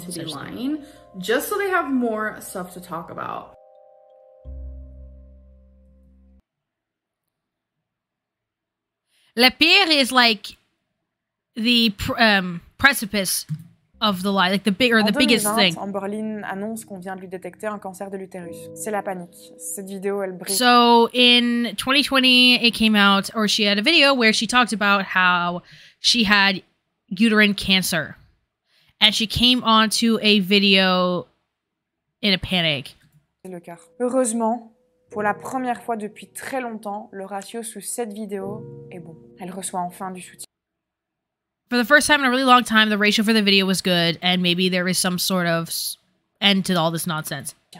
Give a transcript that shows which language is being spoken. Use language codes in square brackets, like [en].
[en] To be lying, just so they have more stuff to talk about. [fr] Le pire [en] is like the precipice. Of the lie, like the big or the biggest thing. [fr] Amberlynn annonce qu'on vient de lui détecter un cancer de l'utérus. C'est la panique. Cette vidéo, elle brille. [en] So in 2020, it came out, or she had a video where she talked about how she had uterine cancer, and she came onto a video in a panic. [fr] C'est le cœur. Heureusement, pour la première fois depuis très longtemps, le ratio sous cette vidéo est bon. Elle reçoit enfin du soutien. [en] For the first time in a really long time, the ratio for the video was good, and maybe there is some sort of end to all this nonsense.